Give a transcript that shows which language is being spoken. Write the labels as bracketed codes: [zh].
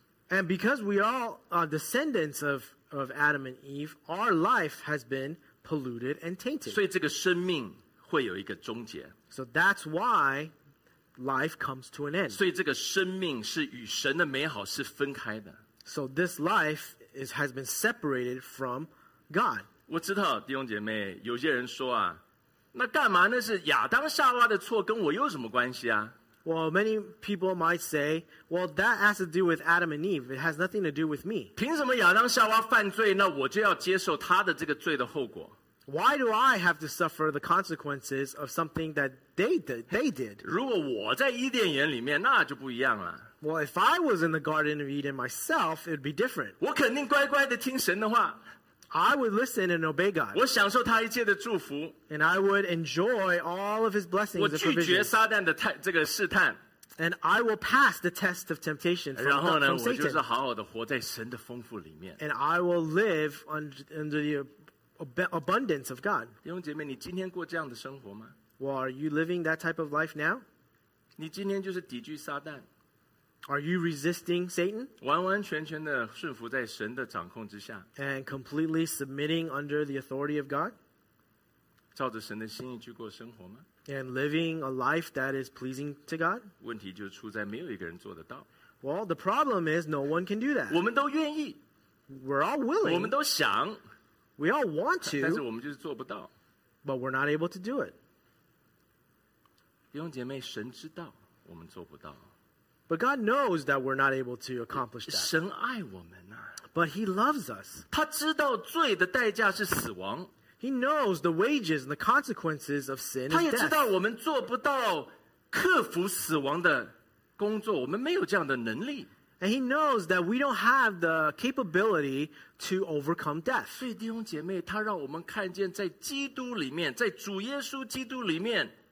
[en] And because we are all descendants of Adam and Eve, our life has been polluted and tainted. [zh] 所以这个生命 [en] So that's why life comes to an end. [zh] 所以这个生命是与神的美好是分开的。 [en] So this life has been separated from God. [zh] 我知道弟兄姐妹，有些人说啊， 那干嘛？那是亚当夏娃的错，跟我有什么关系啊？ [en] Well, many people might say, well, that has to do with Adam and Eve. It has nothing to do with me. [zh] 凭什么亚当夏娃犯罪，那我就要接受他的这个罪的后果？ [en] Why do I have to suffer the consequences of something that they did? [zh] 如果我在伊甸园里面，那就不一样了。 [en] Well, if I was in the Garden of Eden myself, it would be different. [zh] 我肯定乖乖地听神的话。 [en] I would listen and obey God. [zh] 我享受他一切的祝福。 [en] And I would enjoy all of his blessings and provisions. [zh] 我拒绝撒旦的这个试探。 [en] And I will pass the test of temptation from Satan. [zh] 然后呢，我就是好好地活在神的丰富里面。 [en] And I will live under the abundance of God. [zh] 弟兄姐妹，你今天过这样的生活吗？ [en] Well, are you living that type of life now? [zh] 你今天就是抵御撒旦？ [en] Are you resisting Satan? [zh] 完完全全的顺服在神的掌控之下？ [en] And completely submitting under the authority of God? [zh] 照着神的心意去过生活吗？ [en] And living a life that is pleasing to God? [zh] 问题就出在没有一个人做得到。 [en] Well, the problem is no one can do that. [zh] 我们都愿意。 [en] We're all willing. [zh] 我们都想。 [en] We all want to, [zh] 但是我们就是做不到, [en] but we're not able to do it. [zh] 弟兄姐妹, 神知道我们做不到, [en] But God knows that we're not able to accomplish that. [zh] 神爱我们啊, [en] but he loves us. [zh] 他知道罪的代价是死亡, [en] he knows the wages and the consequences of sin is death. [zh] 他也知道我们做不到克服死亡的工作, [en] and he knows that we don't have the capability to overcome death. [zh] 所以弟兄姐妹, 他让我们看见在基督里面, 在主耶稣基督里面,